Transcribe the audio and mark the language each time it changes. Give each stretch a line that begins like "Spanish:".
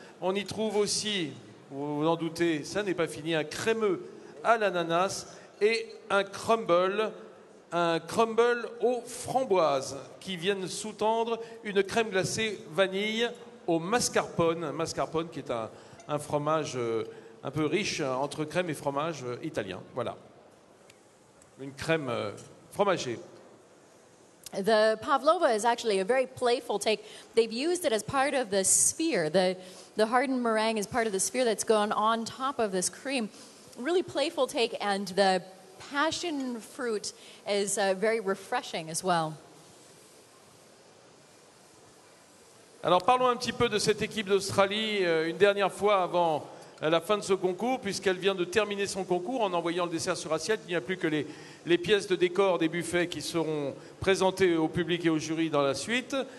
French: On y trouve aussi, vous vous en doutez, ça n'est pas fini, un crémeux à l'ananas et un crumble aux framboises qui viennent sous-tendre une crème glacée vanille au mascarpone. Mascarpone qui est un fromage un peu riche entre crème et fromage italien. Voilà. Une crème fromagée.
English: The pavlova is actually a very playful take. They've used it as part of the sphere. The hardened meringue is part of the sphere that's gone on top of this cream. Really playful take, and the passion fruit is very refreshing as well.
French: Alors parlons un petit peu de cette équipe d'Australie une dernière fois avant la fin de ce concours, puisqu'elle vient de terminer son concours en envoyant le dessert sur assiette. Il n'y a plus que les pièces de décor des buffets qui seront présentées au public et au jury dans la suite.